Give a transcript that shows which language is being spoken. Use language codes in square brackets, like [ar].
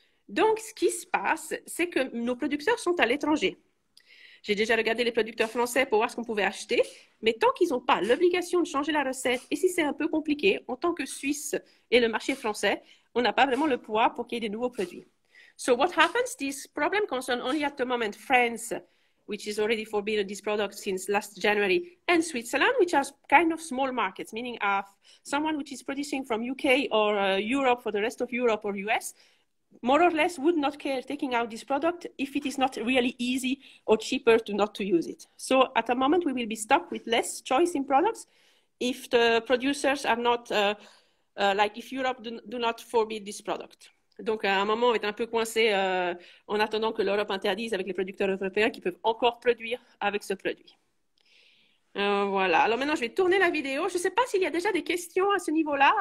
[fr] Donc, ce qui se passe, c'est que nos producteurs sont à l'étranger. J'ai déjà regardé les producteurs français pour voir ce qu'on pouvait acheter, mais tant qu'ils n'ont pas l'obligation de changer la recette, et si c'est un peu compliqué, en tant que Suisse et le marché français, on n'a pas vraiment le poids pour qu'il y ait des nouveaux produits. [en] So what happens? This problem concerns only at the moment France, which is already forbidden this product since last January, and Switzerland, which are kind of small markets, meaning someone which is producing from UK or Europe for the rest of Europe or US More or less would not care taking out this product if it is not really easy or cheaper to not to use it. So at the moment, we will be stuck with less choice in products if the producers are not, like if Europe do not forbid this product. [fr] Donc à un moment, on est un peu coincé en attendant que l'Europe interdise avec les producteurs européens qui peuvent encore produire avec ce produit. Voilà. Alors maintenant, je vais tourner la vidéo. Je ne sais pas s'il y a déjà des questions à ce niveau-là.